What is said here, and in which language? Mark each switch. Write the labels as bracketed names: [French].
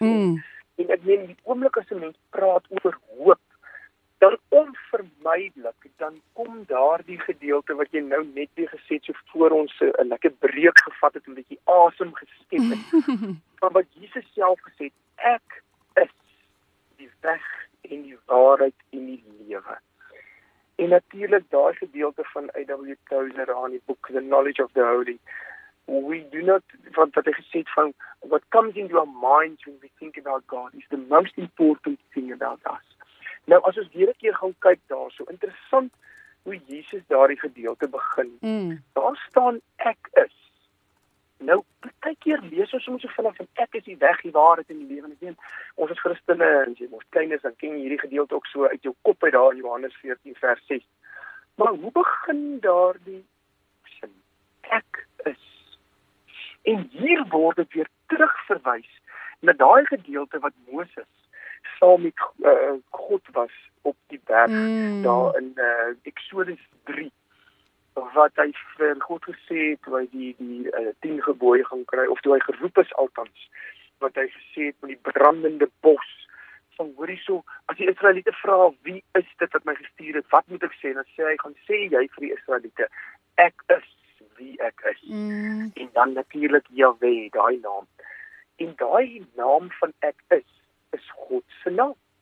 [Afrikaans] En ek meen, die oomblik as 'n mens praat oor hoop, dan onvermydelik, dan kom daardie gedeelte wat jy nou net weer gesê het, so voor ons 'n lekker breek gevat het en 'n bietjie asem geskep het. Van wat Jesus self gesê het, ek is die weg en die waarheid en die lewe. En natuurlik daai gedeelte van A.W. Tozer aan die boek The Knowledge of the Holy. [English] We do not, [Afrikaans] want dat hy gesê het van, [English] what comes into our minds when we think about God is the most important thing about us. [Afrikaans] Nou, as ons weer 'n keer gaan kyk daar, so interessant hoe Jesus daardie gedeelte begin. Daar staan ek is. Nou, partykeer lees ons soms so vinnig van ek is die weg, die waarheid en die lewe. Ek meen, ons as Christene, as jy mos klein is, dan ken jy hierdie gedeelte ook so uit jou kop uit daar in Johannes 14 vers 6. Maar hoe begin daardie sin? Ek is. En hier word dit weer terugverwys na daai gedeelte wat Moses saam met God was op die berg daar in Exodus 3 wat hy vir God gesê het toe hy die 10 gebooie gaan kry of toe hy geroep is althans wat hy gesê het met die brandende bos van hoorie so as die Israeliete vra wie is dit wat my gestuur het wat moet ek sê en dan sê hy gaan sê jy vir die Israeliete ek is wie ek is. En dan natuurlik Jahwe, daai naam. En daai naam van ek is, is God se naam.